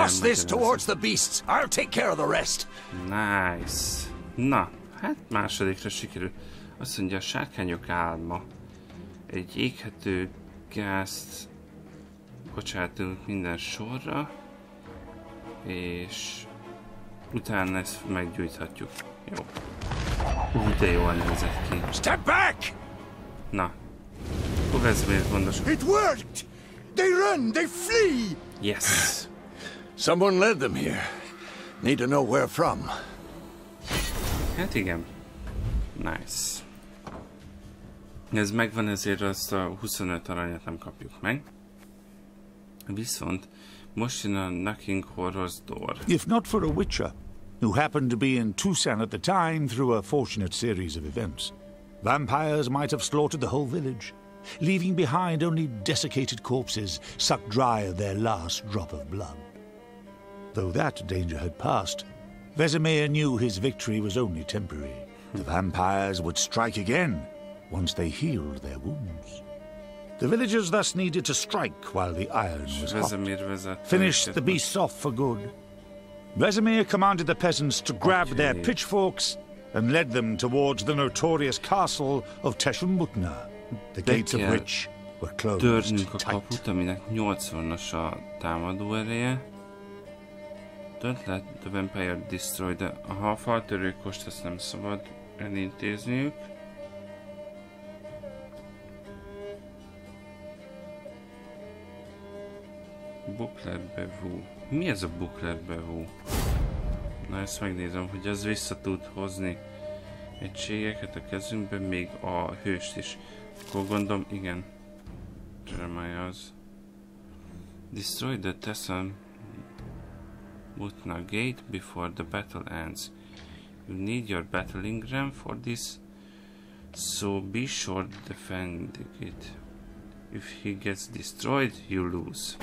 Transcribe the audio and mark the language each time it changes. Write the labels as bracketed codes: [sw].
[en] Toss this towards the beasts. I'll take care of the rest. Nice. [hu] Na, hát másodikra sikerül. Azt mondja, a sárkányok álma. Egy éghető gázt bocsátunk minden sorra, és utána ezt meggyújthatjuk. Jó. De jól nézett ki. [en] Step back! [hu] Na. Akkor ez miért gondos? [en] It worked! They run, they flee! Yes. Someone led them here. Need to know where from. [hu] Hát igen. Nice. Ez megvan, ezért azt a 25 aranyat nem kapjuk meg. Viszont most jön a Knocking Horror's Door. [en] If not for a Witcher, who happened to be in Tucson at the time through a fortunate series of events, vampires might have slaughtered the whole village, leaving behind only desiccated corpses sucked dry of their last drop of blood. Though that danger had passed, Vesemir knew his victory was only temporary. The vampires would strike again once they healed their wounds. The villagers thus needed to strike while the iron was hot, finish the beasts off for good. Vesemir commanded the peasants to grab their pitchforks and led them towards the notorious castle of Teshumbutna, the gates of which were closed tight. [hu] Törnünk a kaput, aminek 80-as a támadó ereje. [en] Don't let the vampire destroy the... [hu] Aha, a faltörőkost ezt nem szabad elintézniük. Buklerbevú. Mi ez a buklerbevú? Na ezt megnézem, hogy az vissza tud hozni egységeket a kezünkbe, még a hőst is. Akkor gondolom, igen. Jeremiah az. [en] Destroy the Tesson Mutna Gate before the battle ends. You need your battling ram for this, so be sure defending it. If he gets destroyed, you lose.